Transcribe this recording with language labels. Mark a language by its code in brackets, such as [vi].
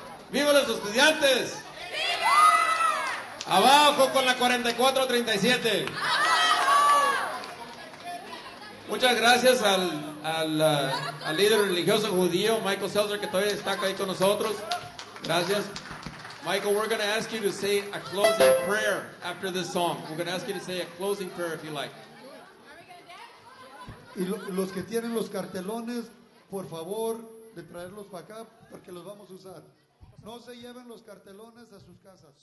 [es] ¡Viva los estudiantes! ¡Viva! ¡Abajo con la 4437! ¡Abajo! Muchas gracias al líder religioso judío, Michael Seltzer, que todavía está ahí con nosotros. Gracias. [en] Michael, we're going to ask you to say a closing prayer after this song. We're going to ask you to say a closing prayer if you like. [es] Y los que tienen los cartelones, por favor, de traerlos para acá, porque los vamos a usar. No se lleven los cartelones a sus casas.